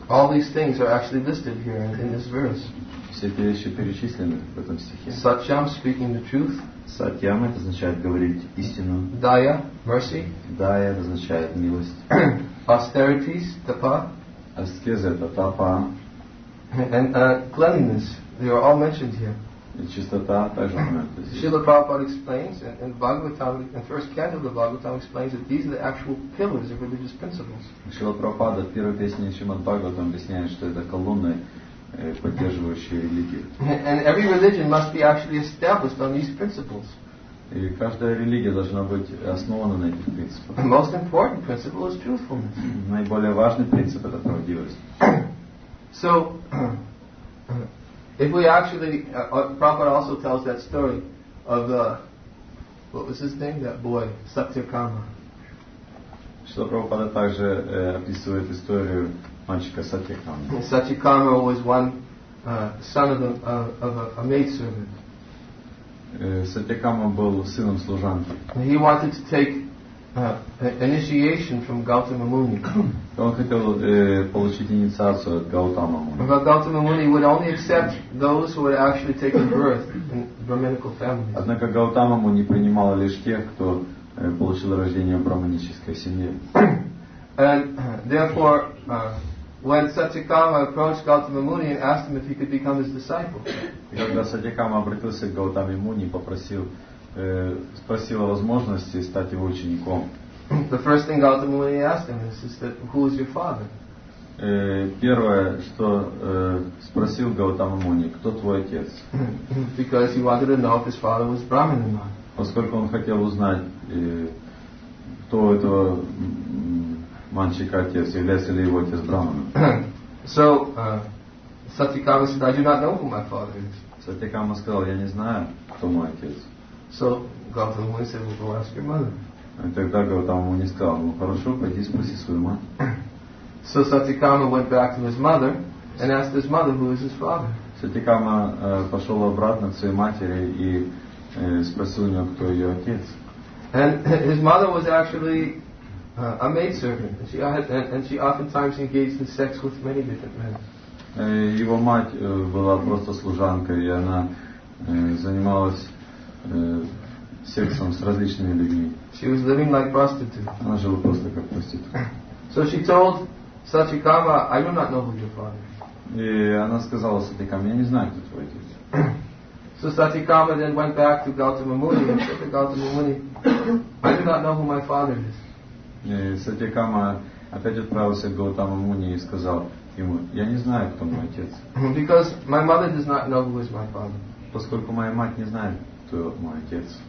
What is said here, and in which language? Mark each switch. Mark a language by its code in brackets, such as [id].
[en] All these things are actually listed here in this verse. [ru] Все эти вещи перечислены в этом стихе. [en] Satyam, speaking the truth. [ru] Satyam — это означает говорить истину. [en] Daya, mercy. [ru] Daya — это означает милость. [en] Austerities, tapa. [ru] Аскеза — это тапа. [en] And cleanliness, they are all mentioned here. [ru] И чистота также упоминается здесь. [en] Srila Prabhupada explains, and Bhagavatam, in the first canto of the Bhagavatam explains that these are the actual pillars of religious principles. [ru] Srila Prabhupada в первой песне Шримад Бхагаватам объясняет, что это колонны, поддерживающие религию. [en] And every religion must be actually established on these principles. [ru] И каждая религия должна быть основана на этих принципах. [en] The most important principle is truthfulness. [ru] Наиболее важный принцип — это правдивость. [en] So, if we actually, Prabhupada also tells that story of the, what was his name, that boy, Satyakama. [ru] Что Прабхупада также описывает историю мальчика Сатьякамы. [en] Сатьякама was one son of a maid servant. [ru] Сатьякама был сыном служанки. [en] And he wanted to take initiation from Gautama Muni. [ru] Он хотел получить инициацию от Гаутама Муни. [en] But Gautama Muni would only accept those who had actually taken birth in brahminical families. [ru] Однако Гаутама Муни принимал лишь тех, кто получил рождение в брахманической семье. [en] And therefore, when Satyakama approached Gautama Muni and asked him if he could become his disciple. [ru] Когда Сатьякама обратился к Гаутаме Муни, попросил спросил о возможности стать его учеником. [en] The first thing Gautama Muni asked him is that who is your father? [ru] Первое, что спросил Гаутама Муни, кто твой отец? [en] Because he wanted to know if his father was Brahmin or not. [ru] Поскольку он хотел узнать, кто этого мальчика отец, является ли его отец Брахманом. [en] So, Satyakama said, I do not know who my father is. [ru] Satyakama сказал, я не знаю, кто мой отец. [en] So Gautama Муни will go ask your mother. [ru] И тогда Гаутама Муни сказал, ну хорошо, пойди спроси свою мать. [en] So Satyakama went back to his mother and asked his mother who is his father. [ru] Satyakama пошел обратно к своей матери и спросил у нее, кто ее отец. [en] And his mother was actually a maidservant, and she oftentimes engaged in sex with many different men. [ru] Его мать была просто служанкой, и она занималась сексом с различными людьми. [en] She was living like prostitute. [ru] Она жила просто как проститутка. [en] So she told Satyakama, "I do not know who your father is." [ru] И она сказала Сатикаме, "Я не знаю, кто твой отец." [en] So Satyakama then went back to Gautama Muni and said to Gautama Muni, "I do not know who my father is." [ru] И Сатикама опять отправился к Гаутама Муни и сказал ему, "Я не знаю, кто мой отец." [en] Because my mother does not know who is my father. [ru] Поскольку моя мать не знает, кто мой отец.